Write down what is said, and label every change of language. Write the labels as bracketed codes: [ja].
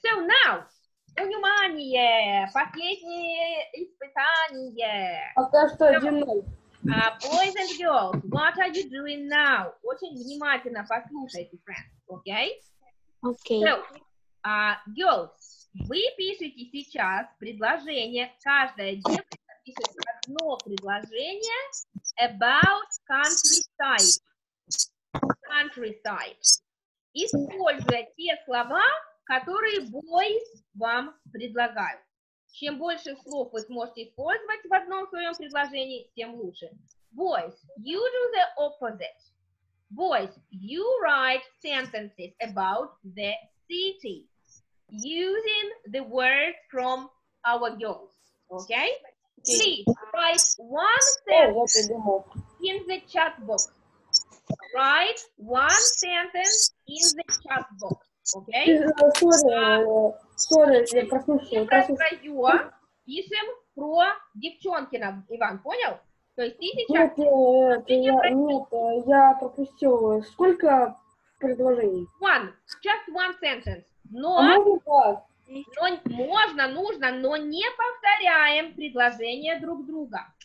[en] So now, [ru] внимание, последнее испытание. Пока что один. [en] Boys and girls, what are you doing now? [ru] Очень внимательно послушайте, friends. Okay? [en] Okay. [ru] So, girls, вы пишете сейчас предложение, каждая девушка пишет одно предложение [en] about countryside. Countryside. [ru] Используя те слова, которые boys вам предлагают. Чем больше слов вы сможете использовать в одном своем предложении, тем лучше. [en] Boys, you do the opposite. Boys, you write sentences about the city using the words from our girls. Okay? Please, write one sentence in the chat box. Write one sentence in the chat box, okay? [ru] Пишем про девчонки нам, Иван, понял? То есть ты сейчас... Нет, я пропустил. Сколько предложений? [en] One, just one sentence. [ru] Но... А можно два? Но можно, нужно, но не повторяем предложения друг друга.